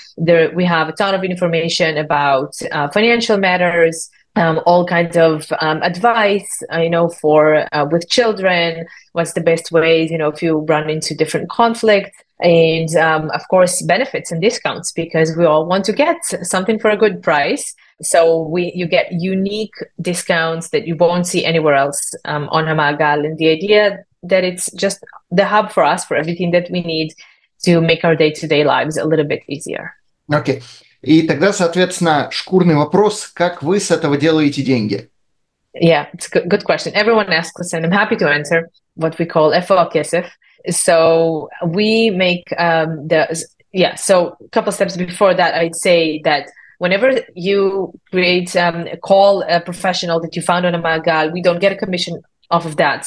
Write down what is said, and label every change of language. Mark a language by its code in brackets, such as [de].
[en] There, we have a ton of information about financial matters, all kinds of advice, you know, for with children, what's the best ways, you know, if you run into different conflicts, and of course, benefits and discounts, because we all want to get something for a good price. So you get unique discounts that you won't see anywhere else on Hamagal. And the idea that it's just the hub for us, for everything that we need to make our day-to-day lives a little bit easier. Okay. [ru] И тогда, соответственно, шкурный вопрос, как вы с этого делаете деньги? [en] Yeah, it's a good question. Everyone asks us, and I'm happy to answer what we call FO KSF. So we make so a couple steps before that, I'd say that whenever you create call a professional that you found on a Magal, we don't get a commission off of that.